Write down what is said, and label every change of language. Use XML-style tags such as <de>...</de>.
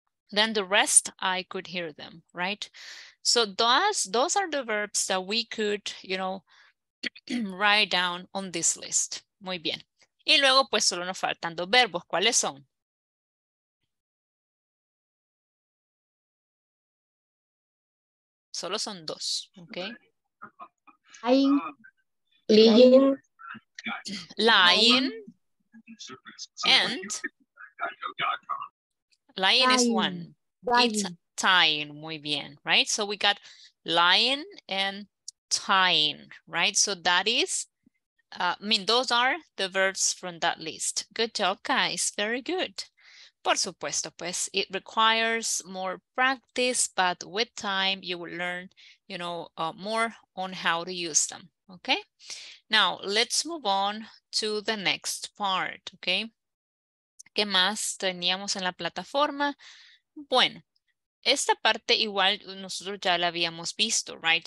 <en>Then the rest, I could hear them, right? So those are the verbs that we could, you know, write down on this list.</en> <es>Muy bien. Y luego, pues, solo nos faltan dos verbos. ¿Cuáles son? Solo son dos, okay?</es> <en>I'm leaving. Lying and lying is one. Dying. It's tying.</en> <es>Muy bien,</es> <en>right? So we got lying and tying, right? So that is, those are the verbs from that list. Good job, guys. Very good.</en> <es>Por supuesto, pues,</es> <en>it requires more practice, but with time you will learn, you know, more on how to use them. Okay, now let's move on to the next part, okay?</en> <es>¿Qué más teníamos en la plataforma? Bueno, esta parte igual nosotros ya la habíamos visto, right?</es>